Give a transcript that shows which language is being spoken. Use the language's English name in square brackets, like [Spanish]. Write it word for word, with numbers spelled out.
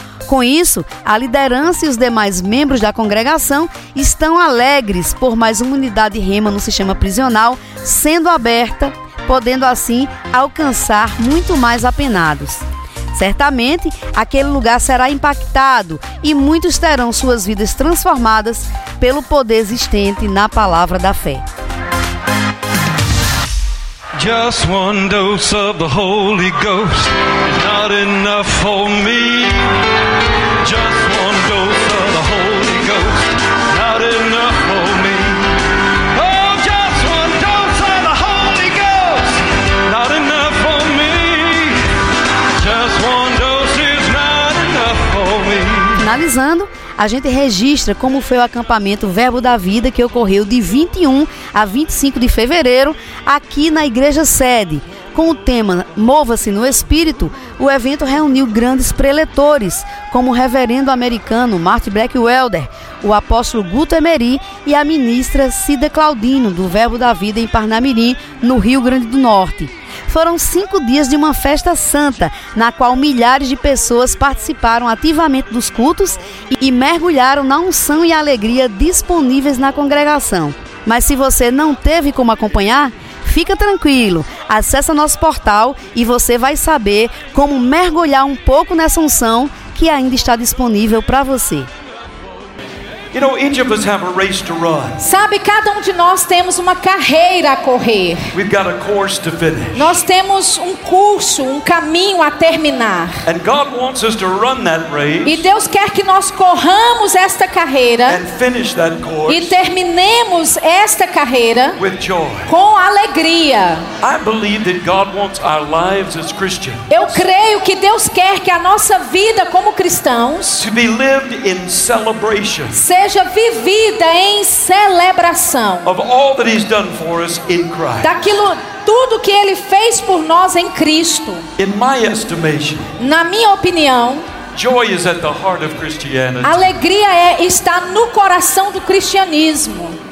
[Portuguese] Com isso, a liderança e os demais membros da congregação estão alegres por mais uma unidade REMA no sistema prisional sendo aberta, podendo assim alcançar muito mais apenados. Certamente, aquele lugar será impactado e muitos terão suas vidas transformadas pelo poder existente na palavra da fé. [English] Just one dose of the Holy Ghost is not enough for me. Just one dose of the Holy Ghost is not enough for me. Oh, just one dose of the Holy Ghost is not enough for me. Just one dose is not enough for me. [Portuguese] Finalizando, a gente registra como foi o acampamento Verbo da Vida que ocorreu de vinte e um a vinte e cinco de fevereiro aqui na Igreja Sede. Com o tema Mova-se no Espírito, o evento reuniu grandes preletores, como o reverendo americano Marty Blackwelder, o apóstolo Guto Emery e a ministra Cida Claudino, do Verbo da Vida em Parnamirim, no Rio Grande do Norte. Foram cinco dias de uma festa santa, na qual milhares de pessoas participaram ativamente dos cultos e mergulharam na unção e alegria disponíveis na congregação. Mas se você não teve como acompanhar, fica tranquilo, acessa nosso portal e você vai saber como mergulhar um pouco nessa unção que ainda está disponível para você. [English] You know, each of us have a race to run. [Portuguese] Sabe, cada um de nós temos uma carreira a correr. [English] We've got a course to finish. [Portuguese] Nós temos um curso, um caminho a terminar. [English] And God wants us to run that race. [Portuguese] E Deus quer que nós corramos esta carreira. [English] And finish that course. [Portuguese] E terminemos esta carreira [English] with joy. [Portuguese] Com alegria. [English] I believe that God wants our lives as Christians. [Portuguese] Eu creio que Deus quer que a nossa vida como cristãos [English] to be lived in celebration. [Portuguese] Seja vivida em celebração [English] of all that he's done for us in Christ. [Portuguese] Daquilo tudo que ele fez por nós em Cristo. [English] In my estimation, [Portuguese] na minha opinião, [English] joy is at the heart of Christianity. [Portuguese] Alegria é está no coração do cristianismo.